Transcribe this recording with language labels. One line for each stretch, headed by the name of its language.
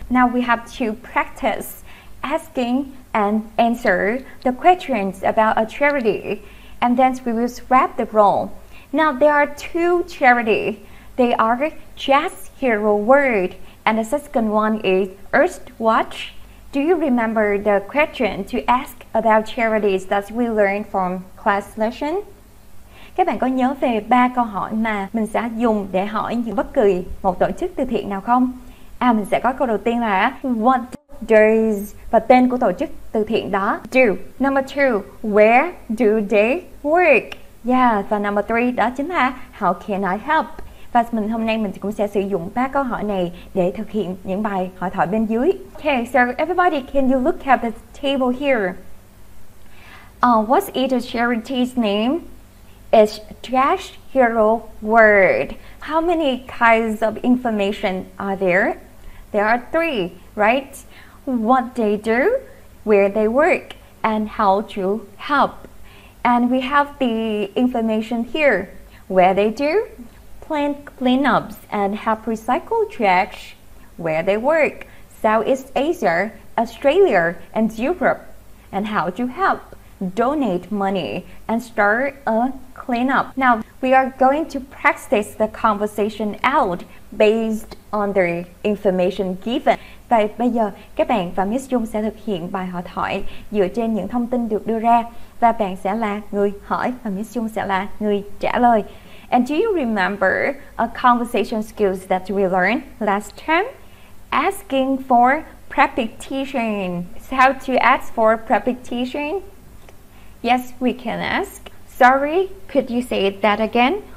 English: Now we have to practice asking and answer the questions about a charity, and then we will swap the role. Now there are two charities. They are Jazz Hero World, and the second one is Earthwatch. Do you remember the question to ask about charities that we learned from class lesson?
Vietnamese: Các bạn có nhớ về ba câu hỏi mà mình sẽ dùng để hỏi bất kỳ một tổ chức từ thiện nào không? Mình sẽ có câu đầu tiên là
English: What does
Vietnamese: và tên của tổ chức từ thiện đó do?
English: Number two, where do they work? Yeah, và number three
Vietnamese: đó chính là
English: how can I help?
Vietnamese: Và mình hôm nay mình cũng sẽ sử dụng ba câu hỏi này để thực hiện những bài hỏi thoại bên dưới.
English: Okay, so everybody, can you look at the table here? What is the charity's name? It's Trash Hero World. How many kinds of information are there? There are three, right? What they do, where they work, and how to help. And we have the information here. Where they do, plant cleanups and help recycle trash. Where they work, Southeast Asia, Australia, and Europe. And how to help, donate money, and start a clean up. Now, we are going to practice the conversation out based on the information given.
Vietnamese: Và bây giờ, các bạn và Miss Jung sẽ thực hiện bài hỏi thoại dựa trên những thông tin được đưa ra. Và bạn sẽ là người hỏi và Miss Jung sẽ là người trả lời.
English: And do you remember a conversation skills that we learned last time? Asking for repetition. So how to ask for repetition? Yes, we can ask. Sorry, could you say that again?